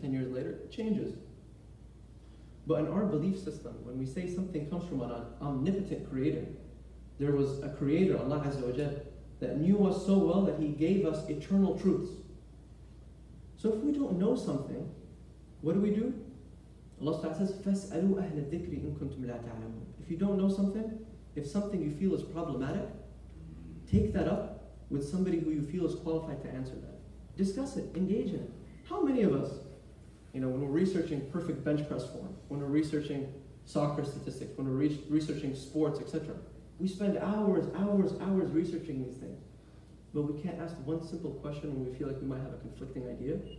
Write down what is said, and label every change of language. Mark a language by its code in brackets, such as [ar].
[en] 10 years later, it changes. But in our belief system, when we say something comes from an omnipotent creator, there was a creator, Allah Azza wa Jal, that knew us so well that He gave us eternal truths. So if we don't know something, what do? Allah Ta'ala says, [ar] فَاسْأَلُوا أَهْلَ الذِّكْرِ إِن كُنْتُمْ لَا تَعْلَمُونَ. [en] If you don't know something, if something you feel is problematic, take that up with somebody who you feel is qualified to answer that. Discuss it, engage in it. How many of us, you know, when we're researching perfect bench press form, when we're researching soccer statistics, when we're researching sports, etc., we spend hours, hours, hours researching these things, but we can't ask one simple question when we feel like we might have a conflicting idea?